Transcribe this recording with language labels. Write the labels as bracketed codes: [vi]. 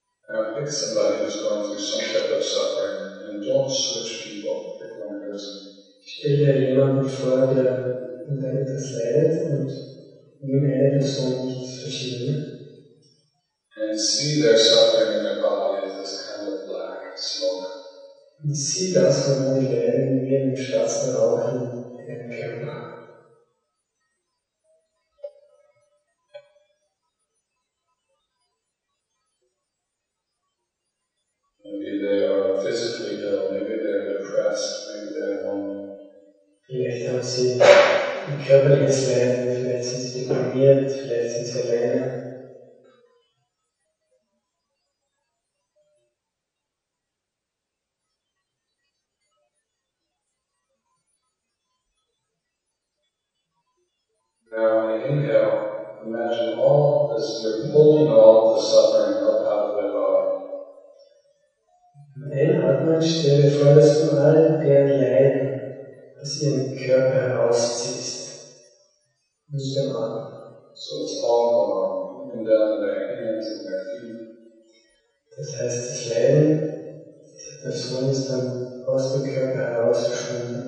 [en] Now pick somebody who's going through some type of suffering and don't switch people, pick one person. [de] Stell dir jemanden vor, der etwas leidet und nimm eine Person nicht verschieden. [en] And see their suffering in their body as this kind of black smoke. [de] Und sieh das von deinen Leiden wie einen schwarzen Rauch in deinem Körper. [en] Maybe they are physically ill, maybe they are depressed, maybe they are lonely. [de] Vielleicht haben sie ein körperliches Leiden, vielleicht sind sie deprimiert, vielleicht sind sie alleine. [en] Now when you inhale, imagine all this, you're pulling all the suffering up out of their body. [de] Einatmen, stell dir vor, dass du all deren Leiden aus ihrem Körper herausziehst. Und so machen. [en] So it's all gone, even down their hands and their feet. [de] Das heißt, das Leiden der Person ist dann aus dem Körper herausgeschwunden.